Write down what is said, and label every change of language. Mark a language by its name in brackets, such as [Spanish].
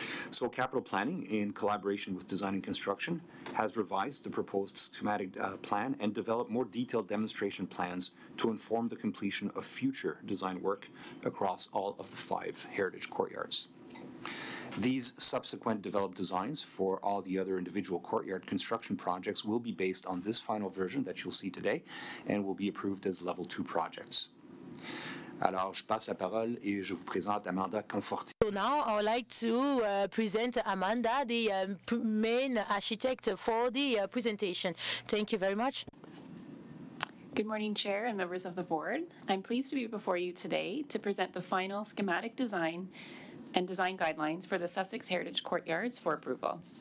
[English] So capital planning, in collaboration with design and construction, has revised the proposed schematic plan and developed more detailed demonstration plans to inform the completion of future design work across all of the five heritage courtyards. These subsequent developed designs for all the other individual courtyard construction projects will be based on this final version that you'll see today and will be approved as level two projects. [French] Alors, je passe la parole et je vous présente Amanda Conforti. [English] So now I would like to present Amanda, the main architect, for the presentation. Thank you very much. Good morning, Chair and members of the board. I'm pleased to be before you today to present the final schematic design and design guidelines for the Sussex Heritage Courtyards for approval.